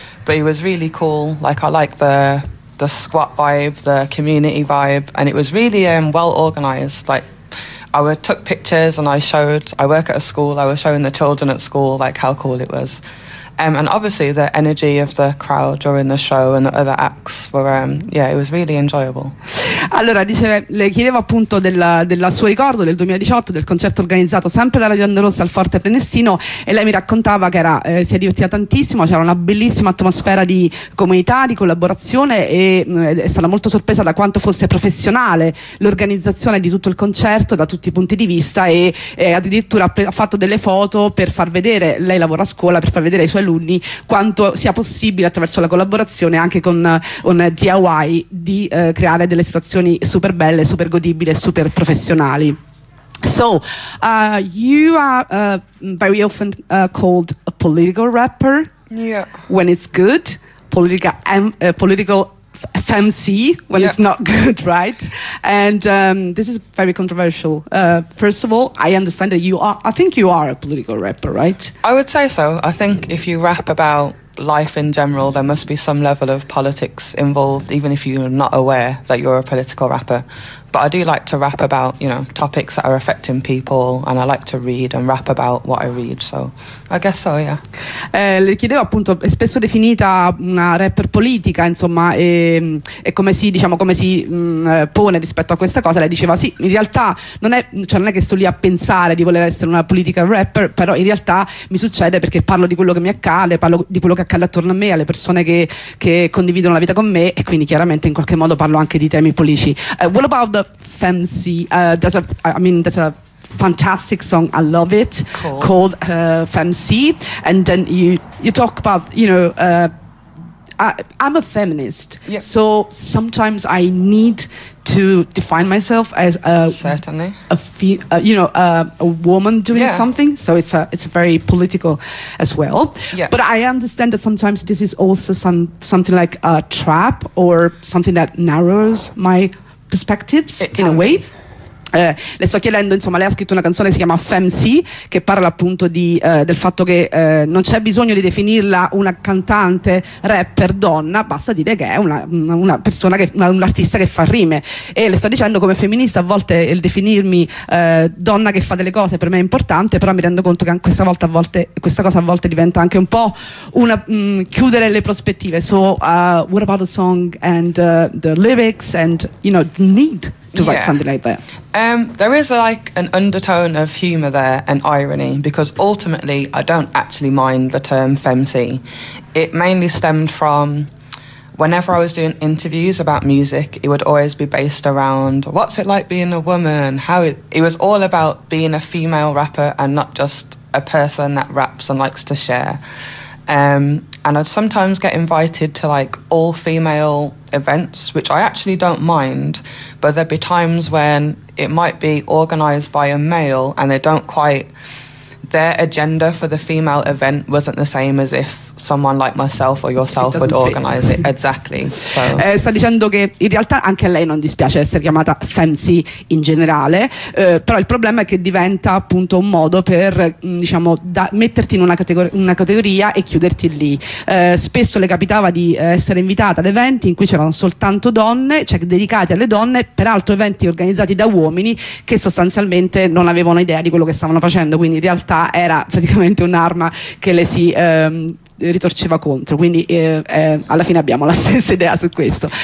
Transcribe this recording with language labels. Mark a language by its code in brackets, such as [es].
[en] But it was really cool. Like, I like the squat vibe, the community vibe, and it was really well organized. Like, I took pictures and I work at a school, I was showing the children at school like how cool it was. And obviously the energy of the crowd during the show and the other acts were, it was really enjoyable. [it] Allora, le chiedevo appunto della sua ricordo del 2018, del concerto organizzato sempre da Radio Onda Rossa al Forte Prenestino, e lei mi raccontava che si è divertita tantissimo, c'era una bellissima atmosfera di comunità, di collaborazione, e è stata molto sorpresa da quanto fosse professionale l'organizzazione di tutto il concerto da tutti i punti di vista, e addirittura ha fatto delle foto per far vedere, lei lavora a scuola, per far vedere ai suoi alunni quanto sia possibile attraverso la collaborazione anche con un DIY di creare delle situazioni super belle, super godibili, super professionali. [en] So, you are very often called a political rapper. Yeah. When it's good, political FMC. When it's not good, right? And this is very controversial. First of all, I understand that you are a political rapper, right? I would say so. I think if you rap about life in general, there must be some level of politics involved, even if you're not aware that you're a political rapper. But I do like to rap about, you know, topics that are affecting people, and I like to read and rap about what I read, so I guess so, yeah. [it] Le chiedevo appunto, è spesso definita una rapper politica, insomma, e come si, diciamo, come si pone rispetto a questa cosa. Lei diceva sì, in realtà non è che sto lì a pensare di voler essere una political rapper, però in realtà mi succede perché parlo di quello che mi accade, parlo di quello che accade attorno a me, alle persone che condividono la vita con me, e quindi chiaramente in qualche modo parlo anche di temi politici. [en] What about the FMC? That's a fantastic song. I love it. Cool. Called FMC. And then you talk about, you know, I'm a feminist. Yep. So sometimes I need to define myself as a woman doing something. So it's a very political as well. Yep. But I understand that sometimes this is also something like a trap or something that narrows my perspectives in a way. [it] Le sto chiedendo, insomma, lei ha scritto una canzone che si chiama FMC, che parla appunto di del fatto che non c'è bisogno di definirla una cantante rapper donna, basta dire che è una persona, un artista che fa rime. E le sto dicendo, come femminista a volte il definirmi donna che fa delle cose per me è importante, però mi rendo conto che anche questa cosa a volte diventa anche un po' una chiudere le prospettive. [en] So what about the song and the lyrics and, you know, the need to write something like that? There is like an undertone of humor there and irony, because ultimately I don't actually mind the term femcee. It mainly stemmed from whenever I was doing interviews about music, it would always be based around what's it like being a woman, it was all about being a female rapper and not just a person that raps and likes to share. And I'd sometimes get invited to like all female events, which I actually don't mind, but there'd be times when it might be organized by a male and they don't quite, their agenda for the female event wasn't the same as if someone like myself or yourself would organize it. Exactly. So. [it] Sta dicendo che in realtà anche a lei non dispiace essere chiamata fancy in generale, però il problema è che diventa appunto un modo per, diciamo, metterti in una categoria e chiuderti lì. Spesso le capitava di essere invitata ad eventi in cui c'erano soltanto donne, cioè dedicati alle donne, peraltro eventi organizzati da uomini che sostanzialmente non avevano idea di quello che stavano facendo, quindi in realtà era praticamente un'arma che le si ritorceva contro, quindi alla fine abbiamo la stessa idea su questo.